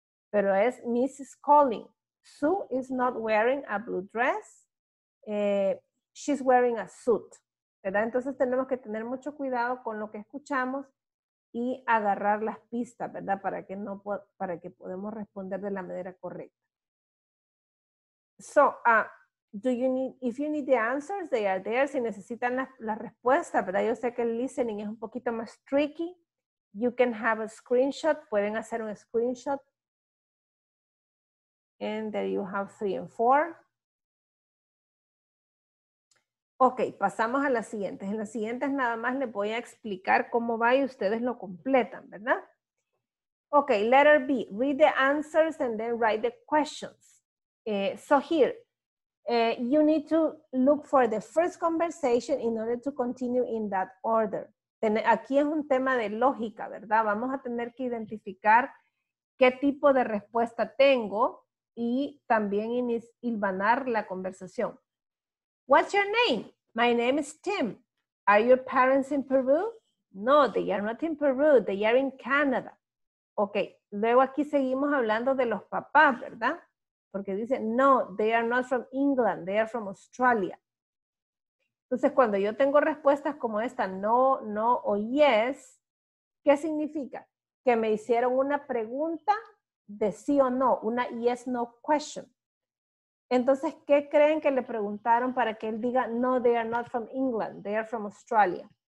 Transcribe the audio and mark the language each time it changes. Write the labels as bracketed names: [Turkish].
[Spanish] Pero es [English] Mrs. Collins. Sue is not wearing a blue dress, she's wearing a suit. ¿verdad? [Spanish] Entonces tenemos que tener mucho cuidado con lo que escuchamos y agarrar las pistas, ¿verdad? Para que podamos responder de la manera correcta. [English] So, if you need the answers, they are there. [Spanish] Si necesitan la respuesta, ¿verdad? Yo sé que el listening es un poquito más tricky. [English] You can have a screenshot. [Spanish] Pueden hacer un screenshot. [English] And there you have 3 and 4. [Spanish] Ok, pasamos a las siguientes. En las siguientes nada más les voy a explicar cómo va y ustedes lo completan, ¿verdad? [English] Ok, letter B. Read the answers and then write the questions. So here, you need to look for the first conversation in order to continue in that order. [Spanish] Aquí es un tema de lógica, ¿verdad? Vamos a tener que identificar qué tipo de respuesta tengo y también hilvanar la conversación. [English] What's your name? My name is Tim. Are your parents in Peru? No, they are not in Peru. They are in Canada. [Spanish] Ok, luego aquí seguimos hablando de los papás, ¿verdad? Porque dice, [English] no, they are not from England. They are from Australia. [Spanish] Entonces, cuando yo tengo respuestas como esta, no, no o yes, ¿qué significa? Que me hicieron una pregunta de sí o no, una yes, no question. Entonces, ¿qué creen que le preguntaron para que él diga, [English] no, they are not from England, they are from Australia?